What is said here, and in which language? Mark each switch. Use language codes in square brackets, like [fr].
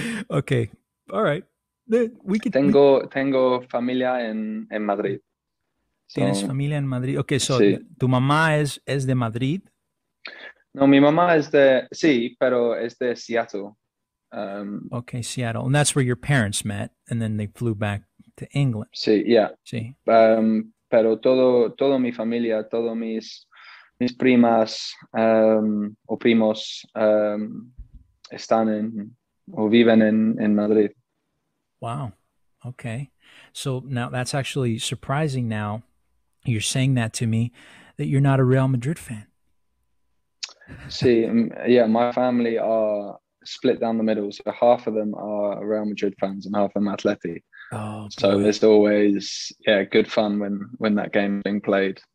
[en] Okay. All right. [es] Tengo familia en Madrid. Tienes familia en Madrid. [en] Okay, so [es] tu mamá es de Madrid. No, mi mamá es de sí, pero es de Seattle. [en] Okay, Seattle, and that's where your parents met, and then they flew back to England. [es] Sí, yeah. Sí. Pero todo mi familia, todo mis primas o primos están en o viven en Madrid. [en] Wow. Okay. So now that's actually surprising. Now you're saying that to me, that you're not a Real Madrid fan. See, yeah, my family are split down the middle. So half of them are Real Madrid fans and half of them Atleti. Oh, so there's always, good fun when that game being played.